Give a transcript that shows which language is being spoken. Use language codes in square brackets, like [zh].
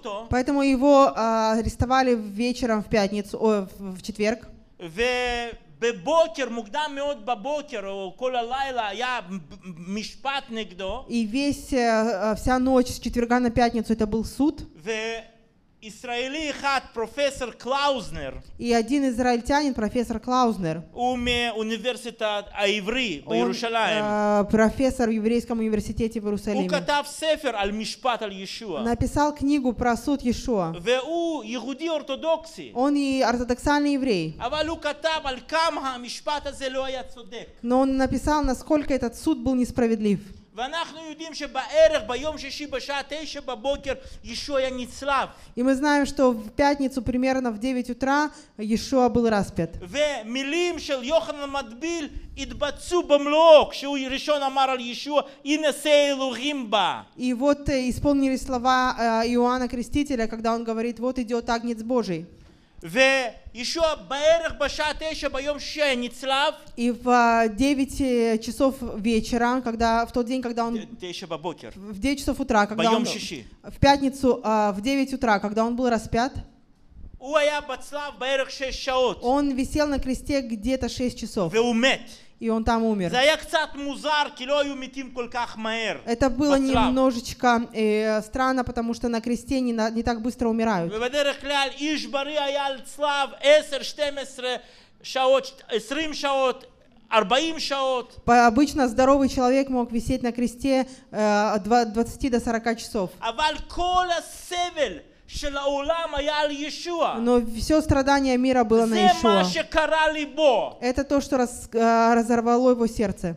[ru] Поэтому его арестовали вечером в пятницу, в четверг. [he] בבוקר, מוקדם מאוד בבוקר, או כל הלילה היה משפט נגדו. [ru] И весь, вся ночь, с четверга на пятницу, это был суд. [he] וישראלי אחד, פרופסור קלאוזנר. [ru] И один израильтянин, профессор Клаузнер. [he] מאוניברסיטת העברי בירושלים. [ru] Профессор в еврейском университете в Иерусалиме. [he] הוא כתב ספר על משפט על ישוע. [ru] Написал книгу про суд Иешуа. [he] והוא יהודי אורתודוקסי. [ru] Он и ортодоксальный еврей. [he] אבל הוא כתב על כמה המשפט הזה לא היה צודק. [ru] Но он написал, насколько этот суд был несправедлив. [he] ואנחנו יודעים שבערך ביום שישי בשעה 9 בבוקר ישוע היה נצלב. [ru] И мы знаем, что в пятницу примерно в 9 утра Иешуа был распят. [he] ומילים של יוחנן המטביל התבצעו במלואו כשהוא ראשון אמר על ישוע הנה שה אלוהים בא. [ru] И вот исполнились слова Иоанна Крестителя, когда он говорит: "Вот идёт агнец Божий". [he] וישוע בערך בשעה 9 ביום שישי נצלב. [ru] И в 9 часов вечера, когда в тот день, когда он [he] 9 בבוקר. [ru] В 9 часов утра, когда [he] ביום שישי. [ru] В пятницу, в 9 утра, когда он был распят. [he] הוא היה בצלב בערך 6 שעות. [ru] Он висел на кресте где-то 6 часов. [he] והוא מת. [ru] И он там умер. [he] זה היה קצת מוזר, כי לא היו מתים כל כך מהר. [ru] Это было немножечко странно, потому что на кресте не так быстро умирают. [he] ובדרך כלל איש בריא היה על צלב 10-12 שעות, 20 שעות, 40 שעות. [ru] Обычно здоровый человек мог висеть на кресте 20 до 40 часов. [he] אבל כל הסבל של העולם היה על ישוע. [ru] Но все страдание мира было на Иешуа. [he] זה מה שקרה ליבו. [ru] Это то, что разорвало его сердце.